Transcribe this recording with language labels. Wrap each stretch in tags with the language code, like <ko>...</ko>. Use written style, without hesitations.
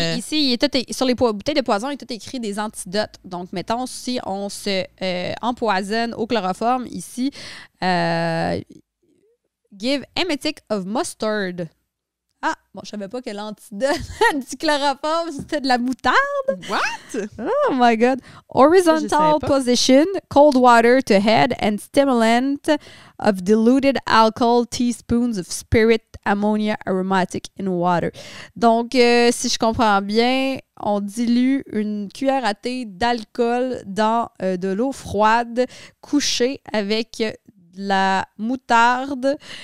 <fr>Ici, il est tout sur les bouteilles de poison, il est tout écrit des antidotes. Donc, mettons, si on se empoisonne au chloroforme, ici, «</fr> <en>Give emetic of mustard ».</en> <fr>Ah, bon, je savais pas que l'antidote du chloroforme, c'était de la moutarde.</fr> <en>What? Oh my God. Horizontal position, cold water to head and stimulant of diluted alcohol, teaspoons of spirit ammonia aromatic in water.</en> <fr>Donc, si je comprends bien, on dilue une cuillère à thé d'alcool dans de l'eau froide couchée avec de la moutarde.</fr>